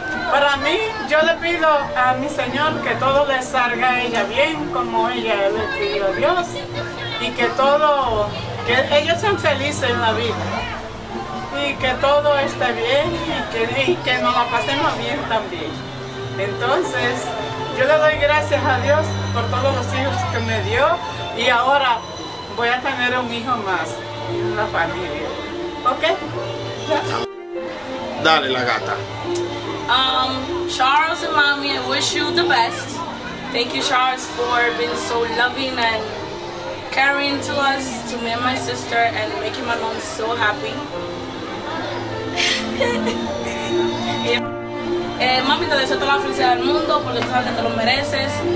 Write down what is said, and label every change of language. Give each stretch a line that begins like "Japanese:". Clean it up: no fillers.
Spanish: Para mí, yo le pido a mi Señor que todo le salga a ella bien, como ella le pidió a Dios, y que todo, que ellos sean felices en la vida, y que todo esté bien, y que nos la pasemos bien también. Entonces, yo le doy gracias a Dios por todos los hijos que me dio, y ahora voy a tener un hijo más en la familia. ¿Ok? Dale, la gata.
English: Charles and Mommy, I wish you the best. Thank you, Charles, for being so loving and caring to us, to me and my sister, and making my mom so happy.
Spanish: Mami, te deseo toda la felicidad del mundo porque tú sabes que te lo mereces.